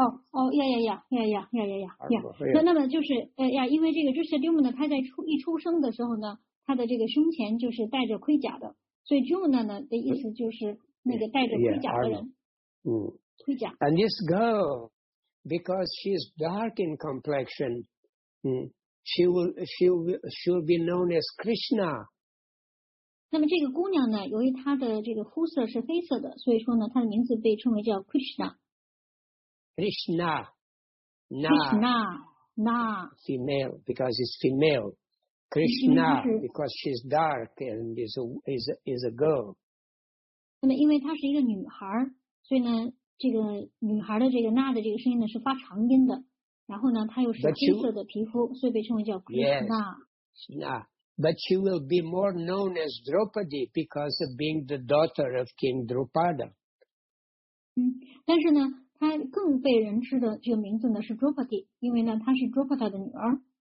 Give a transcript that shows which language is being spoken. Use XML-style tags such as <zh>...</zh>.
<zh>Yeah. 那么就是因为这个 Dhrishtadyumna 他在一出生的时候呢，他的这个胸前就是带着盔甲的，所以 Dhrishtadyumna 呢的意思就是那个带着盔甲的人。盔甲。</zh> <en>And this girl, because she is dark in complexion, she will be known as Krishna.</en> <zh>那么这个姑娘呢，由于她的这个肤色是黑色的，所以说呢，她的名字被称为叫 Krishna。</zh> <en>Krishna. Female, because it's female. Krishna, because she's dark and is a girl.</en> <zh>那么因为她是一个女孩，所以呢，这个女孩的这个 na 的这个声音呢是发长音的，然后呢，她又是黑色的皮肤，所以被称为叫 Krishna。</zh> <en>Krishna. But she will be more known as Draupadi because of being the daughter of King Draupada.</en> <zh>但是呢，她更被人知的这个名字呢是 Draupadi， 因为呢她是 Draupada 的女儿。</zh>